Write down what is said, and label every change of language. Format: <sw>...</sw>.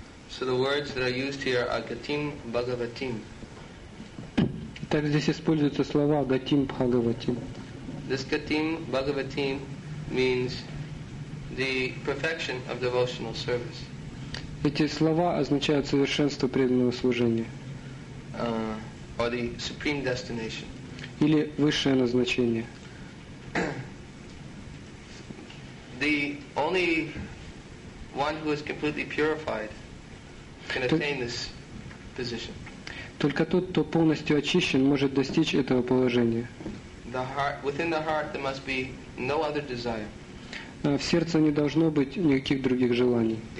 <en>So the words that are used here are Gatim Bhagavatim.</en> <ru>Так здесь используются слова Gatim Bhagavatim.</ru> <en>This Gatim Bhagavatim means the perfection of devotional service.</en> <ru>Эти слова означают совершенство преданного служения.</ru> <en>Or the supreme destination.</en> <ru>Или высшее назначение.</ru> <en>The only one who is completely purified can attain this position.</en> <ru>Только тот, кто полностью очищен, может достичь этого положения.</ru> <en>The heart, within the heart there must be no other desire.</en> <ru>В сердце не должно быть никаких других желаний.</ru>